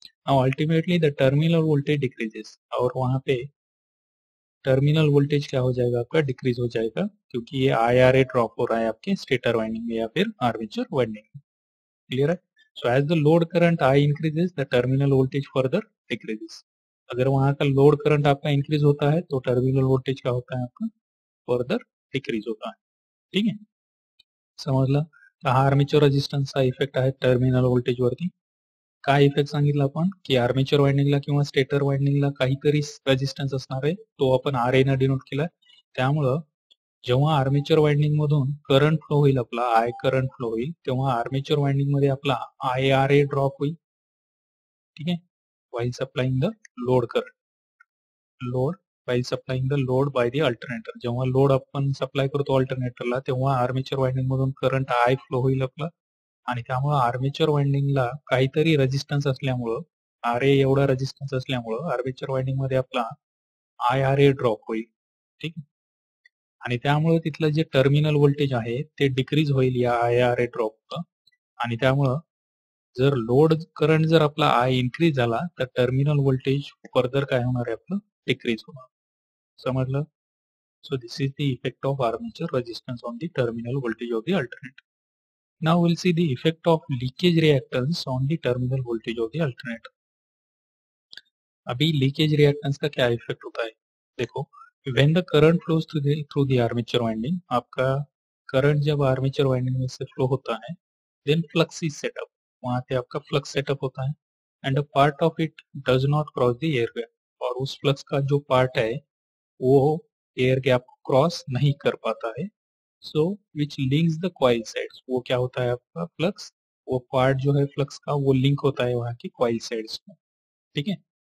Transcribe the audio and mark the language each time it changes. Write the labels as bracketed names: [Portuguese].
[English] now ultimately the terminal voltage decreases, [Hindi] और वहां पे टर्मिनल वोल्टेज क्या हो जाएगा आपका डिक्रीज हो जाएगा, क्योंकि ये आई आर ए ड्रॉप हो रहा है आपके स्टेटर वाइंडिंग में या फिर आर्मेचर वाइंडिंग में। क्लियर है? [English] so as the load current I increases the terminal voltage further decreases, [Hindi] अगर वहां का लोड करंट आपका इंक्रीज होता है तो टर्मिनल वोल्टेज क्या होता है आपका फर्दर डिक्रीज होता है, ठीक है [Marathi] समजलं। तर हा आर्मेचर रेझिस्टन्सचा इफेक्ट आहे टर्मिनल व्होल्टेज वरती। काय इफेक्ट सांगितलं आपण, की आर्मेचर वायंडिंगला किंवा स्टेटर वायंडिंगला काहीतरी रेझिस्टन्स असणार आहे, तो आपण आर ए ना डिनोट केलाय। त्यामुळं जेव्हा आर्मेचर वायंडिंग मधून करंट फ्लो होईल आपला आय करंट फ्लो होईल, तेव्हा आर्मेचर वायंडिंग मध्ये आपला आय आर ए ड्रॉप होईल, ठीक आहे, [English] While supplying the load current, load while supplying the load by the alternator. [Marathi] जेव्हा लोड आपण सप्लाय करतो अल्टरनेटरला, तेव्हा आर्मेचर वाइंडिंग मधून करंट आय फ्लो होईल आपला, आणि त्यामुळे आर्मेचर वाइंडिंगला काहीतरी रेजिस्टन्स असल्यामुळं आर ए एवढा रेजिस्टन्स असल्यामुळं आर्मेचर वाइंडिंग मध्ये आपला आय आर ए ड्रॉप होईल, ठीक, आणि त्यामुळं तिथलं जे टर्मिनल व्होल्टेज आहे ते डिक्रीज होईल या आय आर ए ड्रॉप, आणि त्यामुळं जर लोड करंट जर आपला आय इन्क्रीज झाला तर टर्मिनल व्होल्टेज फर्दर काय होणार आहे आपलं डिक्रीज होणार, समजलं। [English] So this is the effect of armature resistance on the terminal voltage of the alternator. Now will see the effect of leakage reactance on the terminal voltage of the alternator. [Hindi] अभी leakage reactance का क्या effect होता है, देखो [English] when the current flows through the armature winding, [Hindi] आपका current जब armature winding से flow होता है [English] then flux is set up, [Hindi] वहां पे आपका फ्लक्स सेटअप होता है [English] and a part of it does not cross the air gap, [Hindi] और उस फ्लक्स का जो पार्ट है वो एयर गैप क्रॉस नहीं कर पाता है, [English] so which links the coil sides, [Hindi] वो क्या होता है आपका फ्लक्स, वो पार्ट जो है फ्लक्स का वो लिंक होता है वहां की कॉइल साइड्स में, ठीक है।